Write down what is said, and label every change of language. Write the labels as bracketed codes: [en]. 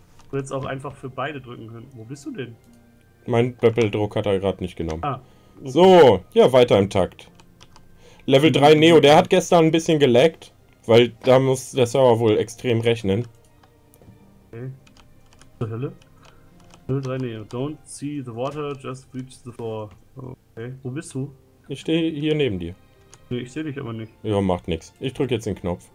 [de] Du hättest auch einfach für beide drücken können. Wo bist du denn? Mein Pöppeldruck hat er gerade nicht genommen. Ah, okay. So, ja, weiter im Takt. Level 3 Neo, der hat gestern ein bisschen gelaggt, weil da muss der Server wohl extrem rechnen. Okay. Zur Hölle? [en] Level 3 Neo, don't see the water, just reach the floor. [de] Okay, wo bist du? Ich stehe hier neben dir. Nee, ich sehe dich aber nicht. Ja, macht nichts. Ich drücke jetzt den Knopf.